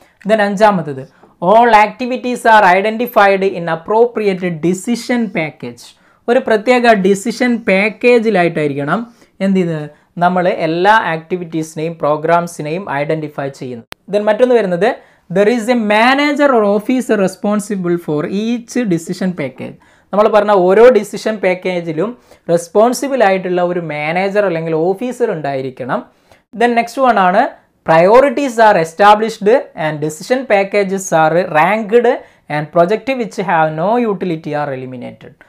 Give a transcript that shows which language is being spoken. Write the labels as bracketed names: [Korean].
[Malayalam] Then അഞ്ചാമത്തത്, [English] All activities are identified in appropriate decision package. [Malayalam] ഒരു പ്രത്യേക ഡിസിഷൻ പാക്കേജിലായിട്ടായിരിക്കണം എന്ത് ചെയ്യുന്നത്, നമ്മൾ എല്ലാ ആക്ടിവിറ്റീസിനെയും പ്രോഗ്രാംസിനെയും ഐഡൻറ്റിഫൈ ചെയ്യുന്നത്. ദെൻ മറ്റൊന്ന് വരുന്നത്, [English] there is a manager or officer responsible for each decision package. [Malayalam] നമ്മൾ പറഞ്ഞ ഓരോ ഡിസിഷൻ പാക്കേജിലും റെസ്പോൺസിബിൾ ആയിട്ടുള്ള ഒരു മാനേജർ അല്ലെങ്കിൽ ഓഫീസർ ഉണ്ടായിരിക്കണം. [English] Then next one ആണ് priorities are established and decision packages are ranked and project which have no utility are eliminated.